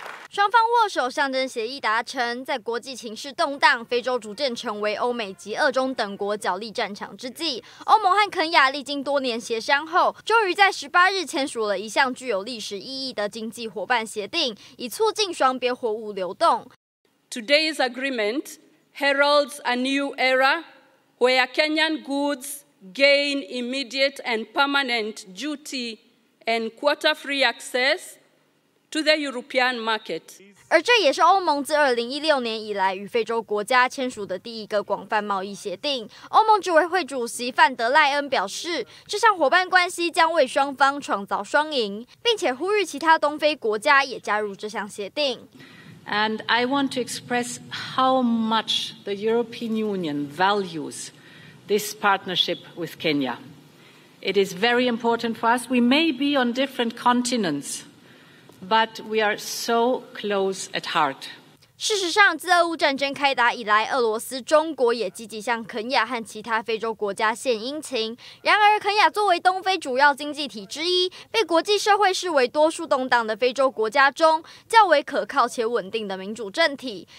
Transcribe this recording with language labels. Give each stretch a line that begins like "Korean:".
Chinese: 双方握手，象征协议达成。在国际情势动荡、非洲逐渐成为欧美及俄中等国角力战场之际，欧盟和肯亚历经多年协商后，终于在18日签署了一项具有历史意义的经济伙伴协定，以促进双边货物流动。
English: Today's agreement heralds a new era where Kenyan goods gain immediate and permanent duty and quota-free access. To the European market.
Chinese: 而这也是欧盟自2016年以来与非洲国家签署的第一个广泛贸易协定。欧盟执委会主席范德赖恩表示，这项伙伴关系将为双方创造双赢，并且呼吁其他东非国家也加入这项协定。
English: And I want to express how much the European Union values this partnership with Kenya. It is very important for us. We may be on different continents. But we are so close at heart.
Chinese: 事实上，自俄乌战争开打以来，俄罗斯、中国也积极向肯亚和其他非洲国家献殷勤。然而，肯亚作为东非主要经济体之一，被国际社会视为多数动荡的非洲国家中较为可靠且稳定的民主政体。